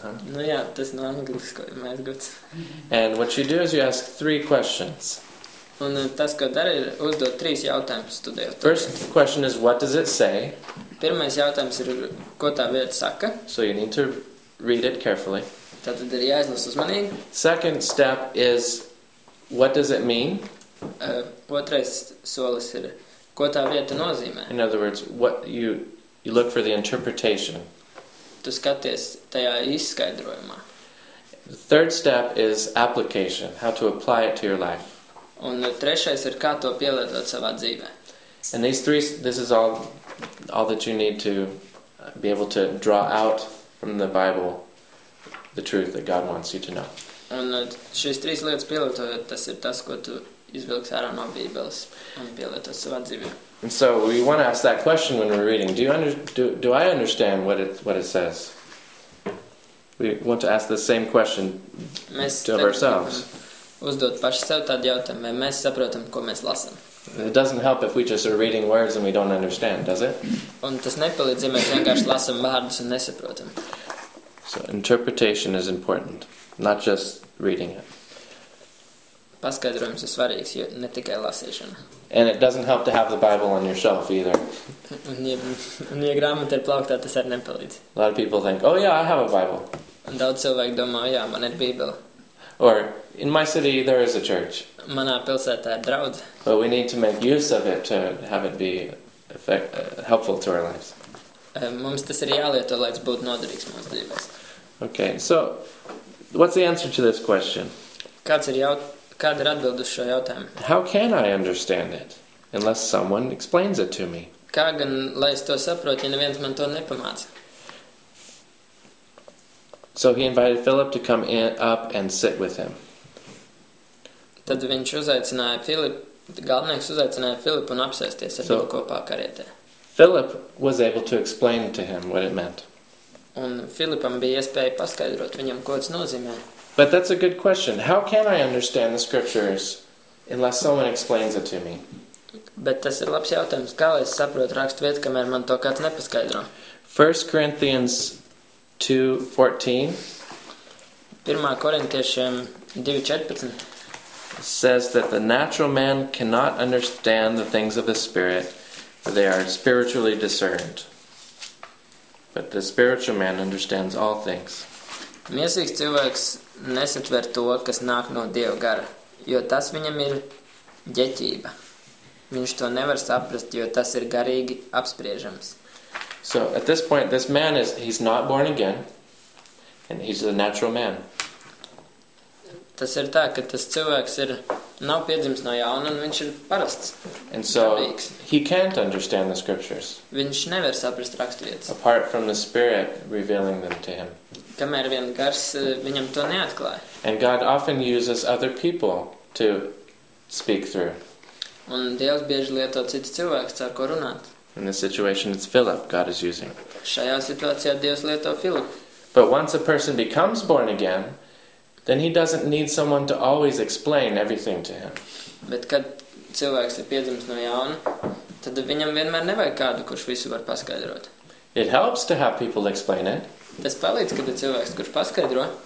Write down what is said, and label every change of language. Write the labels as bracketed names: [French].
[Latvian] Nu jā, tas no anglisko ir mēdguts. [English] And what you do is you ask three questions. [Latvian] Un tas, ko dara, ir uzdot trīs jautājumus studējot. [English] First question is, what does it say? [Latvian] Pirmais jautājums ir, ko tā vieta saka. [English] So you need to read it carefully. [Latvian] Tātad ir jāizlas uzmanīgi. [English] Second step is, what does it mean? [Latvian] Otrais solis ir, ko tā vieta nozīmē. [English] In other words, what you look for the interpretation. [Latvian] Tu skaties tajā izskaidrojumā. [English] The third step is application, how to apply it to your life. [Latvian] Un trešais ir, kā to pielietot savā dzīvē. [English] And these three, this is all that you need to be able to draw out from the Bible the truth that God wants you to know. [Latvian] Un šīs trīs lietas pielietot, tas ir tas, ko tu izvilks ārā no Bībeles un pielietos savā dzīvē. [English] And so we want to ask that question when we're reading. Do I understand what it says? We want to ask the same question to ourselves. [Latvian] uzdot paši sev tādu jautājumu, vai mēs saprotam, ko mēs lasam. [English] It doesn't help if we just are reading words and we don't understand, does it? [Latvian] Un tas nepalīdz, ja mēs vienkārši lasam vārdus un nesaprotam. [English] So interpretation is important, not just reading it. [Latvian] Paskaidrojums ir svarīgs, jo ne tikai lasīšana. [English] And it doesn't help to have the Bible on your shelf either. [Latvian] Un ja grāmata ir plauktā, tas arī nepalīdz. [English] A lot of people think, oh yeah, I have a Bible. [Latvian] Un daudz cilvēku domā, jā, man ir Bībele. [English] Or, in my city there is a church. [Latvian] Manā pilsētā ir draudz. [English] But we need to make use of it to have it be helpful to our lives. [Latvian] Mums tas ir jālieto, lai tas būtu noderīgs mūsu dzīves. [English] Okay, so, what's the answer to this question? [Latvian] Kāda ir atbilde uz šo jautājumu? [English] How can I understand it, unless someone explains it to me? [Latvian] Kā gan, lai es to saprotu, ja neviens man to nepamāca? [English] So he invited Philip to come in, up and sit with him. [Latvian] Tad viņš uzaicināja Filipu, galvenais uzaicināja Filipu un apsēsties ar viņu kopā karietē. [English] Philip was able to explain to him what it meant. [Latvian] Un Filipam bija iespēja paskaidrot viņam, ko tas nozīmē. [English] But that's a good question. How can I understand the scriptures unless someone explains it to me? [Latvian] Bet tas ir labs jautājums, kā lai es saprotu rakstu vietu, kamēr man to kāds nepaskaidro. [English] 1 Corinthians 2:14. [Latvian] 1. Korintiešiem 2:14. [English] Says that the natural man cannot understand the things of the spirit, for they are spiritually discerned. But the spiritual man understands all things. [Latvian] Mīsīgs cilvēks nesatver to, kas nāk no Dieva gara, jo tas viņam ir ģeķība. Viņš to nevar saprast, jo tas ir garīgi apspriežams. [English] So at this point this man is he's not born again and he's the natural man. [Latvian] Tas ir tā, ka tas cilvēks ir nav piedzimis no jauna un viņš ir parasts. [English] And so [Latvian] dabīgs. [English] He can't understand the scriptures. [Latvian] Viņš nevar saprast rakstu vietas. [English] Apart from the spirit revealing them to him. [Latvian] Kamēr vien gars viņam to neatklāja. [English] And God often uses other people to speak through. [Latvian] Un Dievs bieži lieto citus cilvēkus, ar ko runāt. [English] In this situation it's Philip God is using. [Latvian] Šajā situācijā Dievs lieto Filipu. [English] But once a person becomes born again, then he doesn't need someone to always explain everything to him. [Latvian] Bet kad cilvēks ir piedzimis no jauna, tad viņam vienmēr nevajag kādu, kurš visu var paskaidrot. [English] It helps to have people explain it. [Latvian] Tas palīdz, kad ir cilvēks, kurš paskaidro.